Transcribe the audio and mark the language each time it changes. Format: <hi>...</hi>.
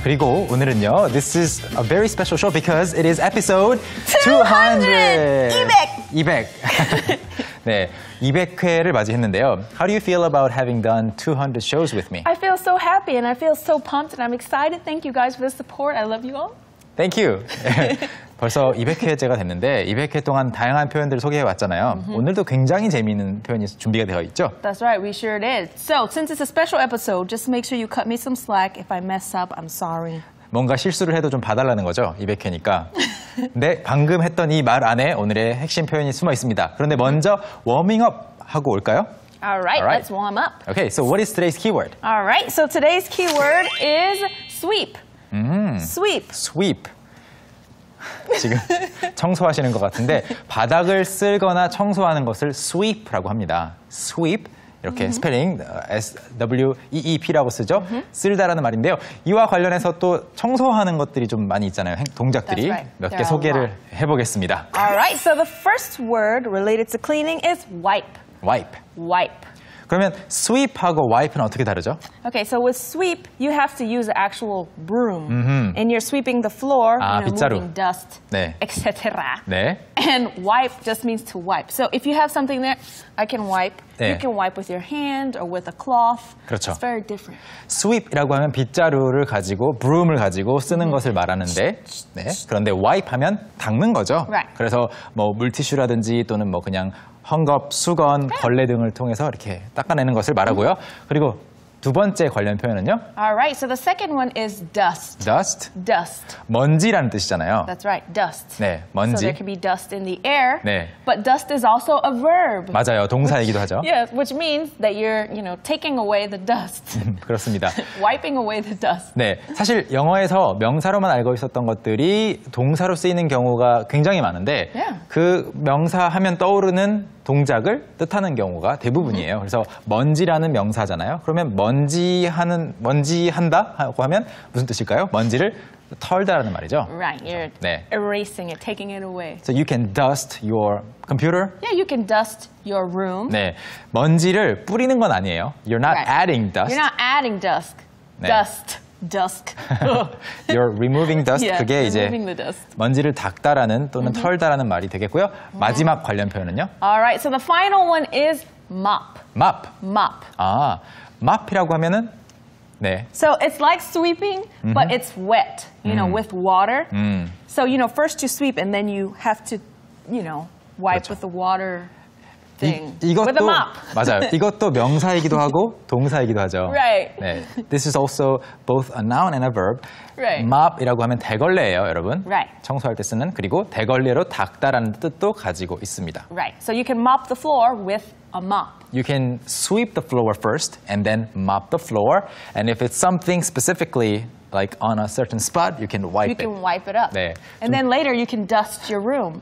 <ko>그리고 오늘은요,</ko> <en>this is a very special show because it is episode 200.</en> <ko>네, 200회를 맞이했는데요.</ko> <en>How do you feel about having done 200 shows with me? I feel so happy and I feel so pumped and I'm excited. Thank you guys for the support. I love you all. Thank you.</en> <ko>벌써 200회째가 됐는데 200회 동안 다양한 표현들을 소개해 왔잖아요. Mm-hmm. 오늘도 굉장히 재미있는 표현이 준비가 되어 있죠.</ko> <en>That's right. We sure did. So, since it's a special episode, just make sure you cut me some slack if I mess up. I'm sorry.</en> <ko>뭔가 실수를 해도 좀 봐달라는 거죠. 200회니까. 근데 방금 했던 이 말 안에 오늘의 핵심 표현이 숨어 있습니다. 그런데 먼저 워밍업 하고 올까요?</ko> <en>All right. Let's warm up. Okay. So, what is today's keyword? All right. So, today's keyword is sweep. Sweep.</en> <ko>지금 청소하시는 것 같은데 바닥을 쓸거나 청소하는 것을 sweep라고 합니다. Sweep 이렇게 스펠링 S-W-E-E-P라고 쓰죠. 쓸다라는 말인데요. 이와 관련해서 또 청소하는 것들이 좀 많이 있잖아요. 동작들이</ko> <en>right.</en> <ko>몇 개 소개를 해보겠습니다.</ko> <en>Alright, so the first word related to cleaning is wipe.</en> <ko>Wipe. 그러면 sweep하고 wipe는 어떻게 다르죠?</ko> <en>Okay, so with sweep, you have to use an actual broom. Mm-hmm. And you're sweeping the floor, you're moving dust,</en> <ko>네.</ko> <en>etc.</en> <ko>네.</ko> <en>And wipe just means to wipe. So if you have something there, I can wipe.</en> <ko>네.</ko> <en>You can wipe with your hand or with a cloth.</en> <ko>그렇죠.</ko> <en>It's very different.</en> <ko>Sweep이라고 하면 빗자루를 가지고, broom을 가지고 쓰는 것을 말하는데, 네. 그런데 wipe하면 닦는 거죠.</ko> <en>Right.</en> <ko>그래서 뭐 물티슈라든지 또는 뭐 그냥 헝겊, 수건, 걸레 등을 통해서 이렇게 닦아내는 것을 말하고요. 그리고 두 번째 관련 표현은요?</ko> <en>Alright, so the second one is dust. Dust? Dust.</en> <ko>먼지라는 뜻이잖아요.</ko> <en>That's right, dust.</en> <ko>네, 먼지.</ko> <en>So there can be dust in the air,</en> <ko>네.</ko> <en>but dust is also a verb.</en> <ko>맞아요, 동사이기도 하죠.</ko> <en>Yeah, which means that you're, you know, taking away the dust.</en> <ko>그렇습니다.</ko> <en>Wiping away the dust.</en> <ko>네, 사실 영어에서 명사로만 알고 있었던 것들이 동사로 쓰이는 경우가 굉장히 많은데</ko> <en>yeah.</en> <ko>그 명사하면 떠오르는 동작을 뜻하는 경우가 대부분이에요. 그래서 먼지라는 명사잖아요. 그러면 먼지한다 하고 하면 무슨 뜻일까요? 먼지를 털다라는 말이죠.</ko> <en>Right. You're 네. erasing it, taking it away. So you can dust your computer? Yeah, you can dust your room.</en> <ko>네. 먼지를 뿌리는 건 아니에요.</ko> <en>You're not right. adding dust. You're not adding dust. 네. Dust. Dusk. You're removing dust. Yeah,</en> <ko>그게 이제</ko> <en>removing the dust.</en> <ko>먼지를 닦다라는 또는 mm-hmm. 털다라는 말이 되겠고요. Mm-hmm. 마지막 관련 표현은요?</ko> <en>All right. So the final one is mop. Mop. Mop.</en> <ko>아, mop이라고 하면은 네.</ko> <en>So it's like sweeping, mm-hmm. but it's wet. You know, with water. So you know, first you sweep, and then you have to, you know, wipe</en> <ko>그렇죠.</ko> <en>with the water.</en> <ko>이, 이것도</ko> <en>with a mop.</en> <ko>맞아요. 이것도 명사이기도 하고 동사이기도 하죠.</ko> <en>Right.</en> <ko>네.</ko> <en>This is also both a noun and a verb. Right.</en> <ko>Mop이라고 하면 대걸레예요, 여러분.</ko> <en>Right.</en> <ko>청소할 때 쓰는 그리고 대걸레로 닦다라는 뜻도 가지고 있습니다.</ko> <en>Right. So you can mop the floor with a mop. You can sweep the floor first and then mop the floor. And if it's something specifically like on a certain spot, you can wipe it. You can wipe it up.</en> <ko>네.</ko> <en>And then later you can dust your room.</en>